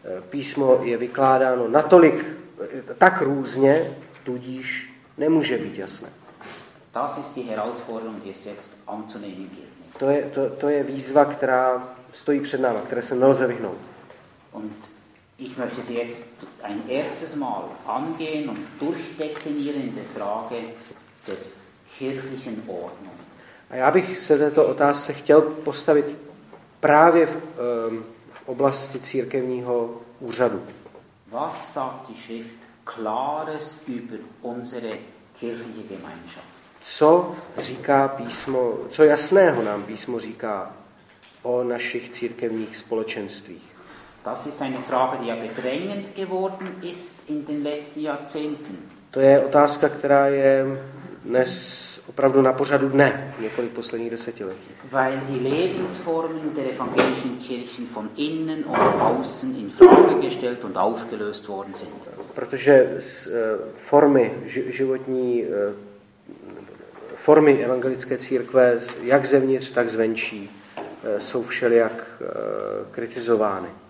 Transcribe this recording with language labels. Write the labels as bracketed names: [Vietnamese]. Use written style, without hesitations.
[Czech] Písmo je vykládáno natolik tak různě, tudíž nemůže být jasné. [German] Das ist die Herausforderung, die es jetzt anzunehmen gilt. [Czech] To je výzva, která stojí před námi, které se nelze vyhnout. [German] Und ich möchte sie jetzt ein erstes Mal angehen und durchdeklinieren in der Frage der kirchlichen Ordnung. [Czech] A já bych se této otázce chtěl postavit právě v oblasti církevního úřadu. [German] Was sagt die Schrift klares über unsere kirchliche Gemeinschaft? [Czech] Co říká písmo, co jasného nám písmo říká o našich církevních společenstvích? [German] Das ist eine Frage, die ja bedrängend geworden ist in den letzten Jahrzehnten. [Czech] To je otázka, která je dnes opravdu na pořadu dne, několik posledních desetiletí. [German] Weil die Lebensformen der evangelischen Kirchen von innen und außen in Frage gestellt und aufgelöst worden sind. [Czech] Protože formy životní formy evangelické církve, jak zevnitř, tak zvenčí, jsou všelijak kritizovány.